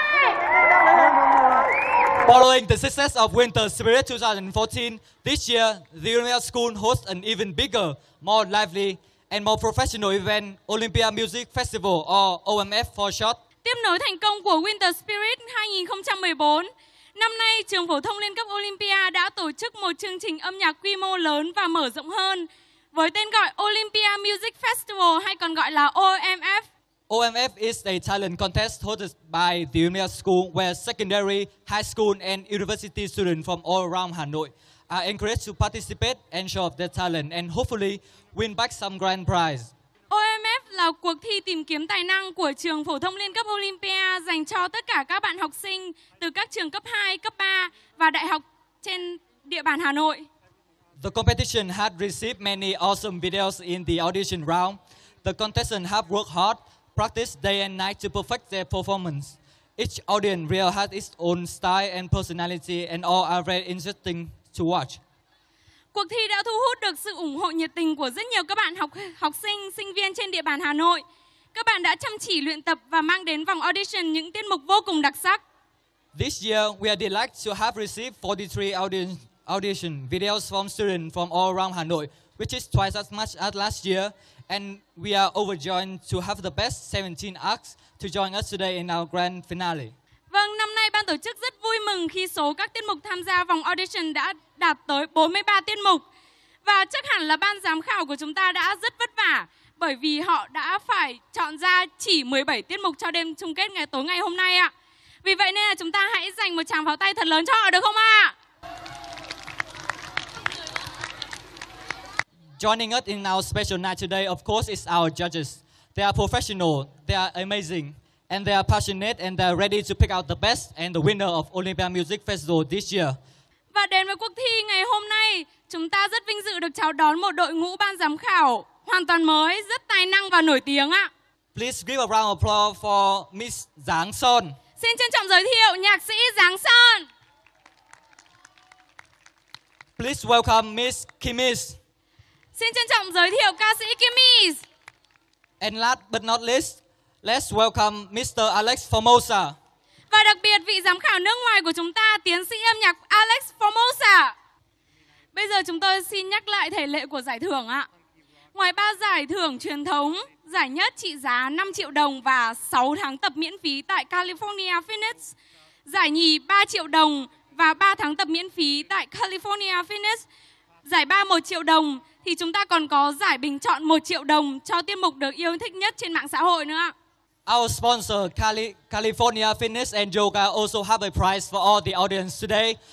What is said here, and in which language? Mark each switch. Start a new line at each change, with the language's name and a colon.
English: Following the success of Winter Spirit 2014, this year the Union School hosts an even bigger, more lively, and more professional event, Olympia Music Festival, or OMF for short.
Vietnamese: Tiếp nối thành công của Winter Spirit 2014, năm nay trường phổ thông liên cấp Olympia đã tổ chức một chương trình âm nhạc quy mô lớn và mở rộng hơn, với tên gọi Olympia Music Festival, hay còn gọi là OMF.
English: OMF is a talent contest hosted by the Union School, where secondary, high school and university students from all around Hà Nội are encouraged to participate and show off their talent and hopefully win back some grand prize.
Vietnamese: OMF là cuộc thi tìm kiếm tài năng của trường phổ thông liên cấp Olympia dành cho tất cả các bạn học sinh từ các trường cấp 2, cấp 3 và đại học trên địa bàn Hà Nội.
English: The competition had received many awesome videos in the audition round. The contestants have worked hard, practiced day and night to perfect their performance. Each audience really has its own style and personality, and all are very interesting to watch.
Vietnamese: Cuộc thi đã thu hút được sự ủng hộ nhiệt tình của rất nhiều các bạn học sinh, sinh viên trên địa bàn Hà Nội. Các bạn đã chăm chỉ luyện tập và mang đến vòng audition những tiết mục vô cùng đặc sắc.
English: This year, we are delighted to have received 43 audition videos from students from all around Hà Nội, which is twice as much as last year, and we are overjoyed to have the best 17 acts to join us today in our grand finale.
Vietnamese: Vâng, năm nay ban tổ chức rất vui mừng khi số các tiết mục tham gia vòng audition đã đạt tới 43 tiết mục. Và chắc hẳn là ban giám khảo của chúng ta đã rất vất vả bởi vì họ đã phải chọn ra chỉ 17 tiết mục cho đêm chung kết ngày tối ngày hôm nay ạ. Vì vậy nên là chúng ta hãy dành một tràng pháo tay thật lớn cho họ được không ạ?
English: Joining us in our special night today, of course, is our judges. They are professional, they are amazing, and they are passionate and they are ready to pick out the best and the winner of Olympia Music Festival this year.
Vietnamese: Và đến với cuộc thi ngày hôm nay, chúng ta rất vinh dự được chào đón một đội ngũ ban giám khảo hoàn toàn mới, rất tài năng và nổi tiếng ạ.
English: Please give a round of applause for Miss Giáng Son.
Vietnamese: Xin trân trọng giới thiệu nhạc sĩ Giáng Son.
English: Please welcome Miss Kimis.
Vietnamese: Xin trân trọng giới thiệu ca sĩ Kimis.
English: And last but not least, let's welcome Mr. Alex Formosa.
Vietnamese: Và đặc biệt vị giám khảo nước ngoài của chúng ta, tiến sĩ âm nhạc Alex Formosa. Bây giờ chúng tôi xin nhắc lại thể lệ của giải thưởng ạ. Ngoài 3 giải thưởng truyền thống, giải nhất trị giá 5 triệu đồng và 6 tháng tập miễn phí tại California Phoenix, giải nhì 3 triệu đồng và 3 tháng tập miễn phí tại California Phoenix, giải ba 1 triệu đồng, thì chúng ta còn có giải bình chọn 1 triệu đồng cho tiết mục được yêu thích nhất trên mạng xã hội nữa ạ.
English: Our sponsor, California Fitness and Yoga, also have a prize for all the audience today.